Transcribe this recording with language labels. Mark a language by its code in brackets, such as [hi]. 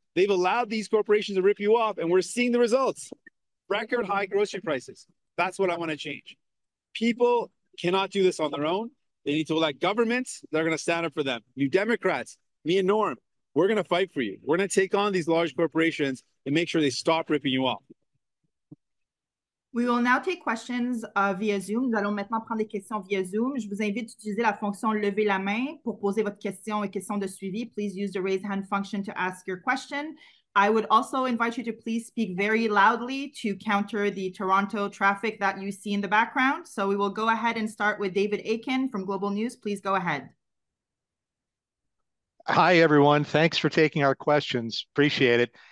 [en] They've allowed these corporations to rip you off, and we're seeing the results. Record high grocery prices. That's what I want to change. People cannot do this on their own. They need to elect governments that are going to stand up for them. New Democrats, me and Norm, we're going to fight for you. We're going to take on these large corporations and make sure they stop ripping you off. We will now take questions via Zoom. [fr] Nous allons maintenant prendre des questions via Zoom. Je vous invite d'utiliser la fonction lever la main pour poser votre question et question de suivi. [en] Please use the raise hand function to ask your question. I would also invite you to please speak very loudly to counter the Toronto traffic that you see in the background. So we will go ahead and start with David Aiken from Global News. Please go ahead. Hi, everyone. Thanks for taking our questions. Appreciate it.